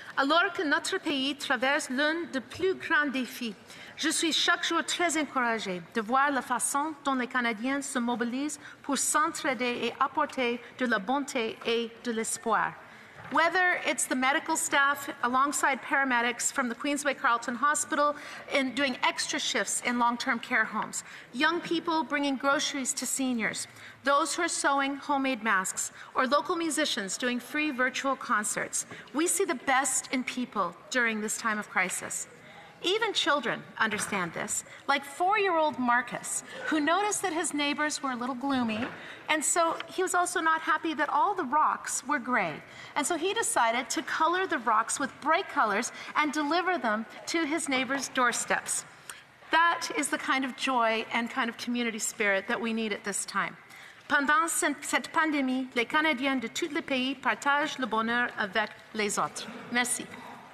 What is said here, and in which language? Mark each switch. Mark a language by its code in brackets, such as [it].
[fr] Alors que notre pays traverse l'un des plus grands défis, je suis chaque jour très encouragée de voir la façon dont les Canadiens se mobilisent pour s'entraider et apporter de la bonté et de l'espoir. [en] Whether it's the medical staff alongside paramedics from the Queensway Carleton Hospital in doing extra shifts in long-term care homes, young people bringing groceries to seniors, those who are sewing homemade masks, or local musicians doing free virtual concerts, we see the best in people during this time of crisis. Even children understand this, like four-year-old Marcus, who noticed that his neighbors were a little gloomy, and so he was also not happy that all the rocks were gray. And so he decided to color the rocks with bright colors and deliver them to his neighbors' doorsteps. That is the kind of joy and kind of community spirit that we need at this time. [fr] Pendant cette pandémie, les Canadiens de tous les pays partagent le bonheur avec les autres. Merci.